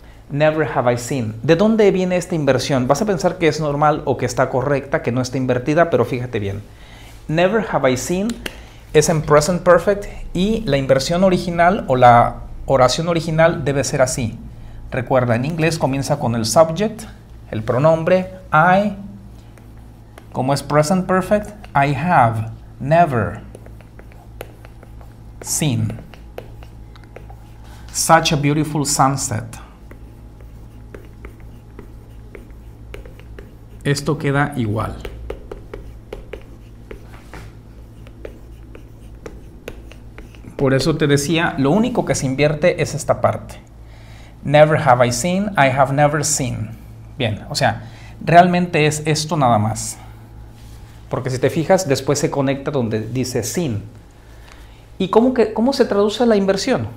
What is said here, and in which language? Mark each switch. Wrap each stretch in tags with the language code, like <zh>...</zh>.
<en>Never have I seen.</en> <es>¿De dónde viene esta inversión? Vas a pensar que es normal o que está correcta, que no está invertida, pero fíjate bien.</es> <en>Never have I seen</en> <es>es en present perfect y la inversión original o la oración original debe ser así. Recuerda, en inglés comienza con el subject, el pronombre I. Como es</es> <en>present perfect, I have never seen such a beautiful sunset.</en> <es>Esto queda igual. Por eso te decía, lo único que se invierte es esta parte.</es> <en>Never have I seen, I have never seen.</en> <es>Bien, o sea, realmente es esto nada más. Porque si te fijas, después se conecta donde dice seen. ¿Y cómo se traduce la inversión?</es>